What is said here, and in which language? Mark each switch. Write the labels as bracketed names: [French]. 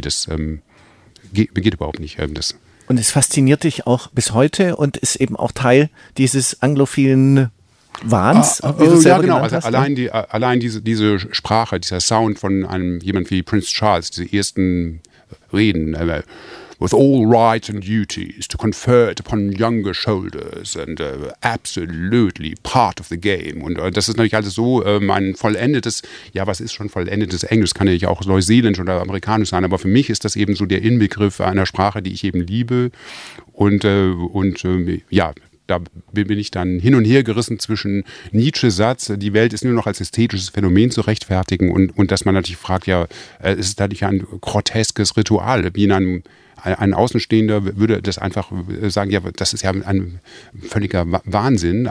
[German] Das geht überhaupt nicht. Und es fasziniert dich auch bis heute und ist eben auch Teil dieses anglophilen Wahns. Allein diese Sprache, dieser Sound von einem jemand wie Prince Charles, diese ersten Reden. [English] With all rights and duties to confer it upon younger shoulders and absolutely part of the game. [German] Und das ist natürlich alles so ein vollendetes, ja, was ist schon vollendetes Englisch? Kann ja auch neuseeländisch oder amerikanisch sein, aber für mich ist das eben so der Inbegriff einer Sprache, die ich eben liebe. Da bin ich dann hin und her gerissen zwischen Nietzsches Satz, die Welt ist nur noch als ästhetisches Phänomen zu rechtfertigen und dass man natürlich fragt, ja, ist es dadurch ein groteskes Ritual, wie in einem ein Außenstehender würde das einfach sagen, ja, das ist ja ein völliger Wahnsinn.